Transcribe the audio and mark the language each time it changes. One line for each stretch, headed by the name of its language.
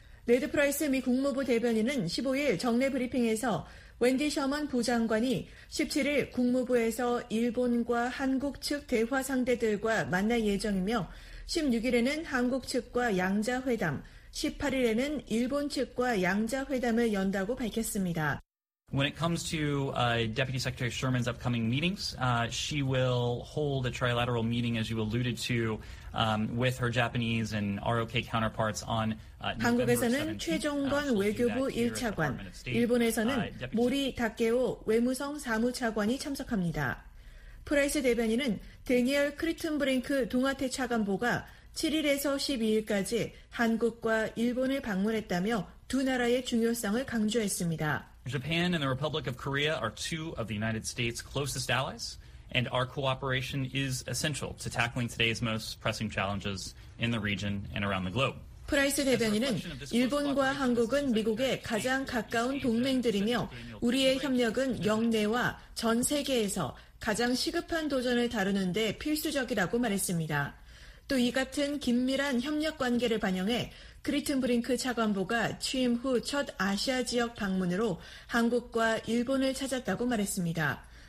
Korean: 레드 프라이스 미 국무부 대변인은 15일 정례 브리핑에서 웬디 셔먼 부장관이 17일 국무부에서 일본과 한국 측 대화 상대들과 만날 예정이며 16일에는 한국 측과 양자회담, 18일에는 일본 측과 양자회담을 연다고 밝혔습니다.
English: When it comes to Deputy Secretary Sherman's upcoming meetings, she will hold a trilateral meeting, as you alluded to, with her Japanese and ROK counterparts on November
Korean: 한국에서는 최종건 외교부 1차관, 일본에서는 모리 다케오 외무성 사무차관이 참석합니다. 프라이스 대변인은 대니얼 크리튼브링크 동아태 차관보가 7일에서 12일까지 한국과 일본을 방문했다며 두 나라의 중요성을 강조했습니다.
English: Japan and the Republic of Korea are two of the United States' closest allies, and our cooperation is essential to tackling today's most pressing challenges in the region and around the globe.
Korean: 프라이스 대변인은 일본과 한국은 미국의 가장 가까운 동맹들이며 우리의 협력은 영내와 전 세계에서 가장 시급한 도전을 다루는 데 필수적이라고 말했습니다. 또 이 같은 긴밀한 협력 관계를 반영해 그리튼 브링크 차관보가 취임 후 첫 아시아 지역 방문으로 한국과 일본을 찾았다고 말했습니다.